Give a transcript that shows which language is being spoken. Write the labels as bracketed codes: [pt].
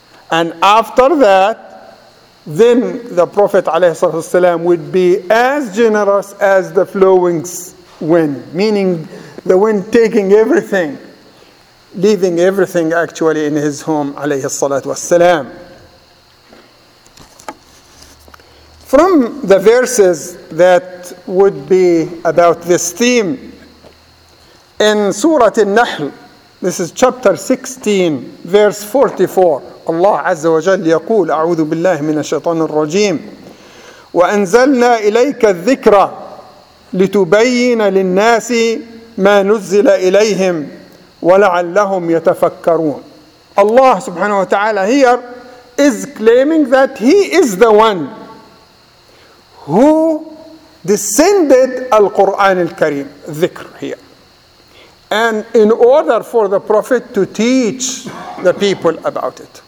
[en] And after that, then the Prophet ﷺ would be as generous as the flowing wind, meaning the wind taking everything, leaving everything actually in his home [ar] عليه الصلاة والسلام. [en] From the verses that would be about this theme, In Surah An-Nahl, this is chapter 16, verse 44. [ar] Allah Azza wa Jalla يقول أعوذ بالله من الشيطان الرجيم وأنزلنا إليك الذكرى لتبين للناس ما نزل إليهم ولعلهم يتفكرون. [en] Allah subhanahu wa ta'ala here is claiming that he is the one who descended al-Qur'an al-Kareem, dhikr here. And in order for the Prophet to teach the people about it.